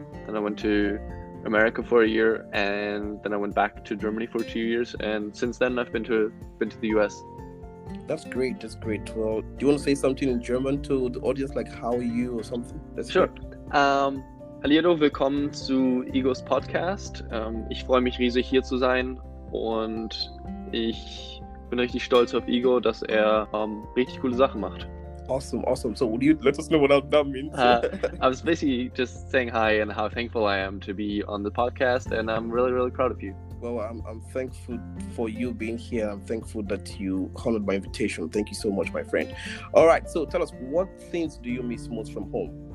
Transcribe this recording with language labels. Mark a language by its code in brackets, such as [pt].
[en] Then I went to America for a year, and then I went back to Germany for 2 years, and since then I've been to the US. That's great. Well, do you want to say something in German to the audience, like how are you or something? That's sure. [de] Hallo, willkommen zu Egos Podcast. Ich freue mich riesig hier zu sein und ich bin richtig stolz auf Ego, dass er richtig coole Sachen macht. [en] Awesome. So would you let us know what that means? I was basically just saying hi and how thankful I am to be on the podcast, and I'm really, really proud of you. Well, I'm thankful for you being here. I'm thankful that you honored my invitation. Thank you so much, my friend. All right, so tell us, what things do you miss most from home?